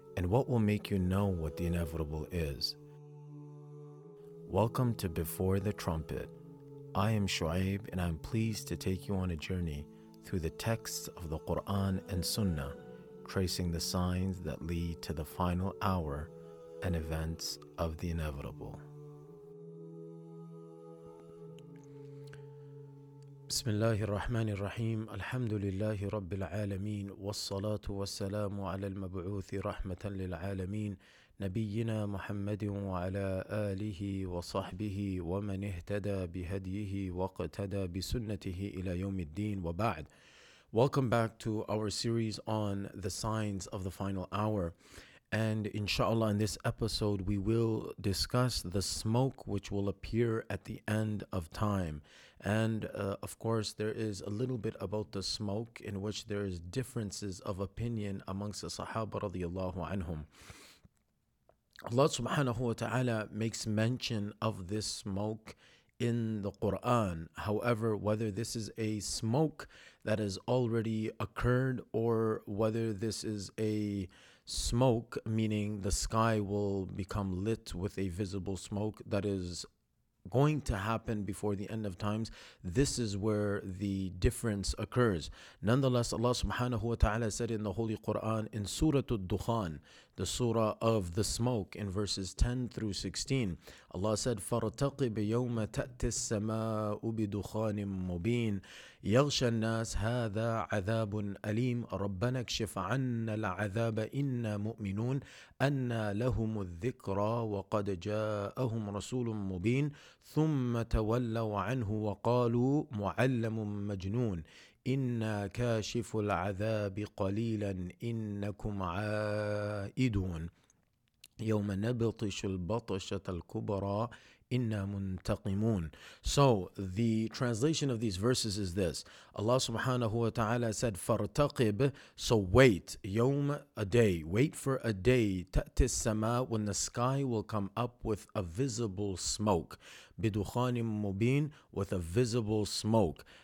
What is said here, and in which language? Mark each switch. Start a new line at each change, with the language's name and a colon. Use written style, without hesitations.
English: And what will make you know what the inevitable is?" Welcome to Before the Trumpet. I am Shu'aib and I'm pleased to take you on a journey through the texts of the Quran and Sunnah, tracing the signs that lead to the final hour and events of the inevitable.
Arabic: بسم الله الرحمن الرحيم الحمد لله رب العالمين والصلاة والسلام على المبعوث رحمة للعالمين نبينا محمد وعلى آله وصحبه ومن اهتدى بهديه واقتدى بسنته إلى يوم الدين وبعد.
English: Welcome back to our series on the signs of the final hour. And inshallah, in this episode, we will discuss the smoke which will appear at the end of time. And of course, there is a little bit about the smoke in which there is differences of opinion amongst the Sahaba radiallahu anhum. Allah subhanahu wa ta'ala makes mention of this smoke in the Quran. However, whether this is a smoke that has already occurred or whether this is a smoke, meaning the sky will become lit with a visible smoke that is going to happen before the end of times, this is where the difference occurs. Nonetheless, Allah subhanahu wa ta'ala said in the Holy Quran in Surah Ad-Dukhan, the Surah of the Smoke, in verses 10 through 16, Allah said,
Arabic: فَارْتَقِبْ يَوْمَ تَأْتِ السَّمَاءُ بِدُخَانٍ مُبِينٍ يَغْشَى النَّاسَ هَذَا عَذَابٌ أَلِيمٌ رَبَّنَا اكْشِفْ عَنَّا الْعَذَابَ إِنَّا مُؤْمِنُونَ أَنَّا لَهُمُ الذِّكْرَى وَقَدْ جَاءَهُمْ رَسُولٌ مُبِينٌ ثُمَّ تَوَلَّوْا عَنْهُ وَقَالُوا مُعَلَّمٌ مَجْنُونٌ إِنَّا كَاشِفُ الْعَذَابِ قَلِيلًا إِنَّكُمْ عَائِدُونَ يَوْمَ نَبْطِشُ الْبَطْشَةَ الْكُبْرَى إِنَّا مُنْتَقِمُونَ.
English: So the translation of these verses is this. Allah subhanahu wa ta'ala said,
Arabic: فَارْتَقِبْ,
English: so wait,
Arabic: يَوْم,
English: a day, wait for a day,
Arabic: تَأْتِ السَّمَاء,
English: when the sky will come up with a visible smoke,
Arabic: بِدُخَانٍ مُبِينٍ,
English: with a visible smoke.